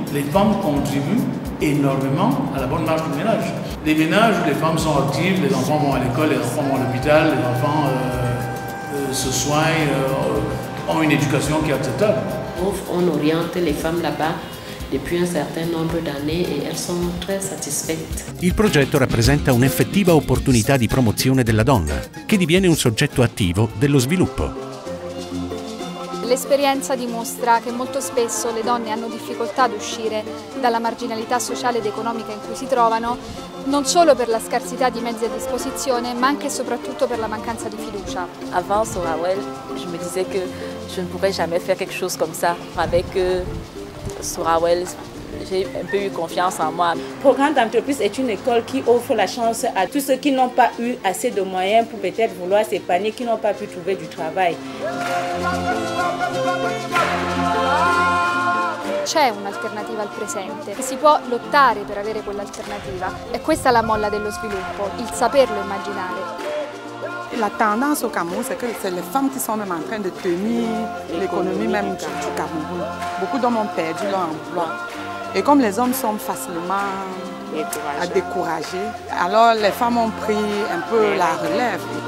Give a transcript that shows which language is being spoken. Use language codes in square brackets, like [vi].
[fr] Les femmes contribuent énormément à la bonne marche du ménage. Les ménages où les femmes sont actives, les enfants vont à l'école, les enfants vont à l'hôpital, les enfants se soignent, ont une éducation qui est acceptable. On oriente les femmes là-bas depuis un certain nombre d'années et elles sont très satisfaites. [it] Il progetto rappresenta un'effettiva opportunità di promozione della donna, che diviene un soggetto attivo dello sviluppo. L'esperienza dimostra che molto spesso le donne hanno difficoltà ad uscire dalla marginalità sociale ed economica in cui si trovano, non solo per la scarsità di mezzi a disposizione, ma anche e soprattutto per la mancanza di fiducia. [fr] Avant Sorawel, je me disais que je ne pourrais jamais faire quelque chose comme ça avec Sorawel. J'ai un peu eu confiance en moi. Le programme d'entreprise est une école qui offre la chance à tous ceux qui n'ont pas eu assez de moyens pour peut-être vouloir s'épanouir, qui n'ont pas pu trouver du travail. [it] c'è un'alternativa al presente, si può lottare per avere quell'alternativa. E questa è la molla dello sviluppo, il saperlo immaginare. [fr] La tendance au Cameroun, c'est que c'est les femmes qui sont même en train de tenir l'économie même du Cameroun. Beaucoup d'hommes ont perdu leur emploi. Et comme les hommes sont facilement découragés, alors les femmes ont pris un peu la relève.